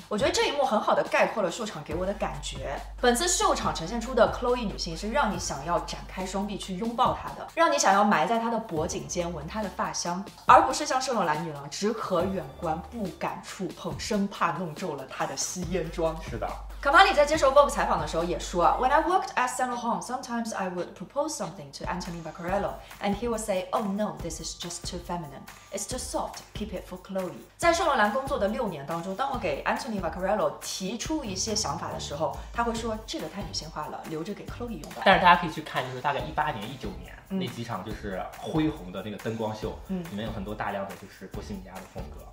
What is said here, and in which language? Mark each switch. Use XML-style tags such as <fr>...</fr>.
<zh>我觉得这一幕很好的概括了秀场给我的感觉。本次秀场呈现出的 Chloe 女性是让你想要展开双臂去拥抱她的，让你想要埋在她的脖颈间闻她的发香，而不是像圣罗兰女郎只可远观不敢触碰，生怕弄皱了她的吸烟妆。是的，卡玛里在接受 Vogue 采访的时候也说，</zh> <en>When I worked at Saint Laurent, sometimes I would propose something to Anthony Vaccarello, and he would say, Oh no, this is just too feminine. It's too soft. Keep it for Chloe.</en> <zh>在圣罗兰工作的六年当中，当我给 Anthony Vaccarello 提出一些想法的时候，他会说这个太女性化了，留着给 Chloe 用吧。但是大家可以去看，就是大概2018年、2019年、那几场就是恢宏的那个灯光秀，里面有很多大量的就是波西米亚的风格。</zh>